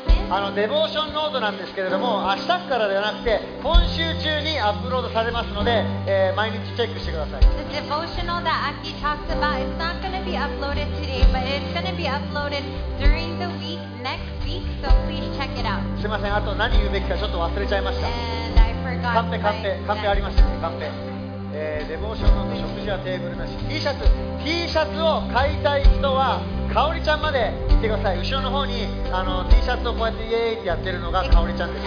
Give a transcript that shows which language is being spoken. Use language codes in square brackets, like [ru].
[ja] あのデボーションノートなんですけれども、明日からではなくて今週中にアップロードされますので、毎日チェックしてください。 [en] The devotional that Aki talked about is not going to be uploaded today, but it's going to be uploaded during the week, next week, so please check it out. [ja] すいません、あと何言うべきかちょっと忘れちゃいました。 [en] And I forgot. [ja] カンペ、カンペ、カンペありましたね、カンペ。デボーションノート、食事はテーブルなし、 T シャツを買いたい人は香里ちゃんまで行ってください。後ろの方にあの T シャツをこうやってイエーイってやってるのが香里ちゃんです。